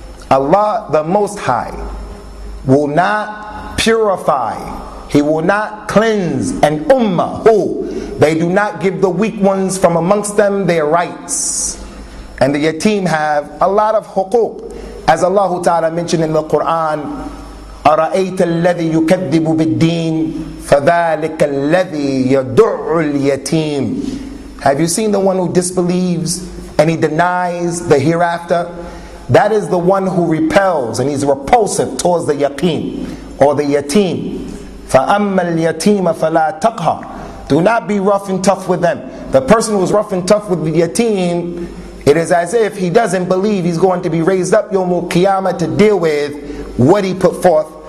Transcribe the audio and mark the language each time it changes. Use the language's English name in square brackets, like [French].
[English] Allah the Most High will not purify, He will not cleanse an ummah who they do not give the weak ones from amongst them their rights. And the yatim have a lot of huquq. As Allah Ta'ala mentioned in the Quran, [Arabic] أَرَأَيْتَ الَّذِي يُكَذِّبُ بِالدِّينِ فَذَٰلِكَ الَّذِي يَدُعُّ الْيَتِيمِ. [English] Have you seen the one who disbelieves and he denies the hereafter? That is the one who repels and he's repulsive towards the yaqeen or the yatim. [Arabic] فَأَمَّا الْيَتِيمَ فَلَا تَقْهَرْ. [English] Do not be rough and tough with them. The person who is rough and tough with the yatim, it is as if he doesn't believe he's going to be raised up yawmul qiyamah to deal with what he put forth